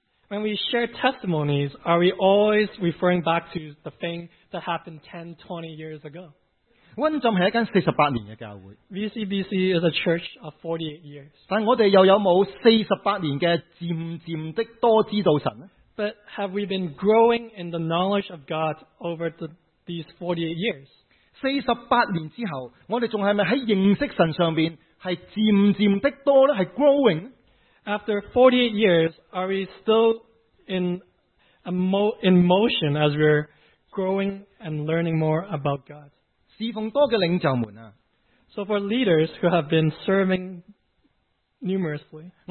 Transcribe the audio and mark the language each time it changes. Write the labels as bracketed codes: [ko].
[en] When we share testimonies, are we always referring back to the thing that happened 10, 20 years ago? [yue] 溫浸是一間48年的教會, [en] VCBC is a church of 48 years. [yue] 但我們又有沒有48年的漸漸的多知道神呢? [en] But have we been growing in the knowledge of God over these 48 years? [yue] 48年之後, 我們還是不是在認識神上面是漸漸的多呢? 是 growing? [en] After 48 years, are we still in motion as we're growing and learning more about God? [yue] 侍奉多的领袖们啊, [en] so for leaders who have been serving numerously,